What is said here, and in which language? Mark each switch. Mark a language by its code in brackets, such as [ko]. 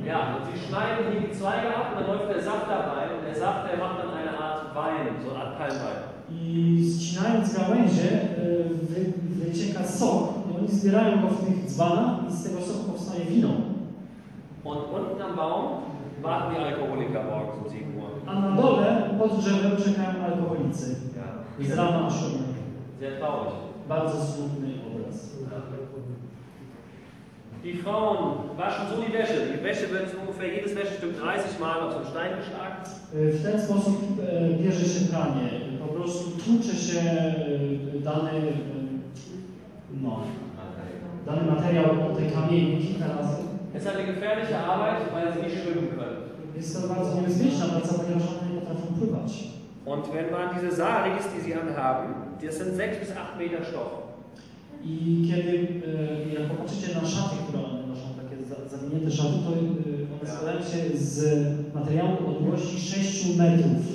[de] Ja, und sie schneiden hier die Zweige ab und dann läuft der Saft dabei. Und der Saft, der macht dann eine Art Wein, so eine Art Palmwein. [pl] I ścinając gałęzie, wycieka sok. I oni zbierają go w tych dzbanach i z tego soku powstaje wino. [de] Und unten am Baum warten die Alkoholiker morgens um 7 Uhr. [pl] A na dole, pod drzewem, czekają alkoholicy. [de] Ja. [pl] Z rana o 7. [de] Sehr traurig. [pl] Bardzo smutny obraz. [de] Die Frauen waschen so die Wäsche. Die Wäsche wird ungefähr jedes Wäschestück 30 Mal auf so einen Stein geschlagen. [pl] W ten sposób bierze się pranie. Po prostu tłucze się dany materiał o te kamienie kilka razy. [de] Es ist eine gefährliche Arbeit, weil sie nicht schwimmen können. [pl] Jest to bardzo niebezpieczna praca, ponieważ one nie potrafią pływać. [de] Und wenn man diese Saris, die sie anhaben, das sind 6 bis 8 Meter Stoff. [pl] I kiedy popatrzycie na szaty, które one noszą, takie zawinięte szaty, to one składają się z materiału o długości 6 metrów.